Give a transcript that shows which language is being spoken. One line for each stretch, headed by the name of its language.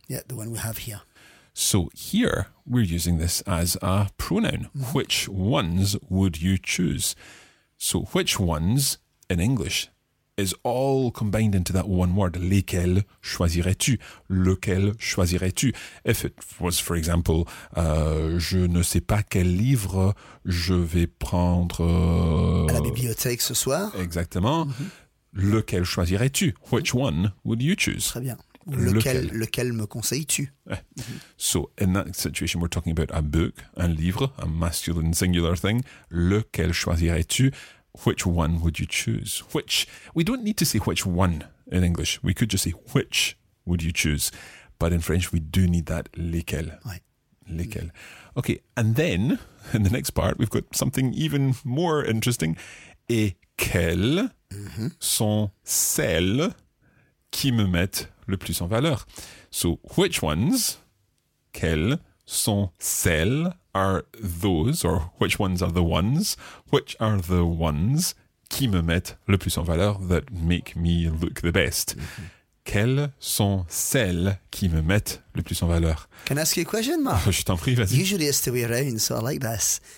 English: Yeah, the one we have here. So here, we're using this as a pronoun. Mm-hmm. Which ones would you choose? So which ones, in English, is all combined into that one word,
French: lesquels choisirais-tu? Lequel choisirais-tu?
English: If it was, for example,
French: je ne sais pas quel livre je vais prendre... à la bibliothèque ce soir. Exactement.
English: Mm-hmm.
French: Lequel choisirais-tu?
English: Which one would you choose?
French: Très bien. Lequel me conseilles-tu? Ouais.
English: Mm-hmm. So, in that situation, we're talking about a book, un livre, a masculine singular thing.
French: Lequel choisirais-tu?
English: Which one would you choose? Which? We don't need to say which one in English. We could just say which would you choose. But in French, we do need that lesquels.
French: Oui. Lesquels.
English: Okay, and then in the next part, we've got something even more interesting.
French: Et quelles sont celles qui me mettent le plus en valeur?
English: So which ones,
French: quelles sont celles,
English: are those, or which ones are the ones, which are the ones
French: qui me mettent le plus en valeur,
English: that make me look the best? Mm-hmm.
French: Quelles sont celles qui me mettent le plus en valeur?
English: Can I ask you a question, Mark?
French: Je t'en prie, vas-y.
English: Usually it's the way around, so I like this.